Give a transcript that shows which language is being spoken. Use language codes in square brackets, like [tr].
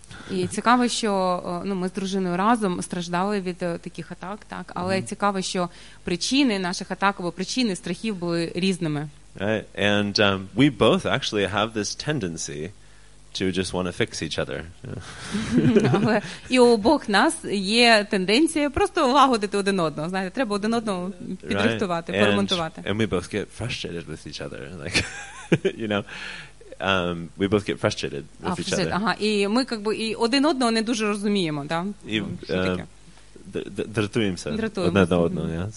[uk] І цікаво, що ми з дружиною разом страждали від таких атак, так? Але цікаво, що причини наших атак або причини страхів були різними. [en] Right. And we both actually have this tendency to just want to fix each other. [uk] Але і у обох нас є тенденція просто лагодити один одного, знаєте, треба один одного підрихтувати, поремонтувати. [en] And we both get frustrated with each other, like, you know. We both get frustrated with each other. [uk] Ага, і ми і один одного не дуже розуміємо, да? І дратуємося один одного, yeah.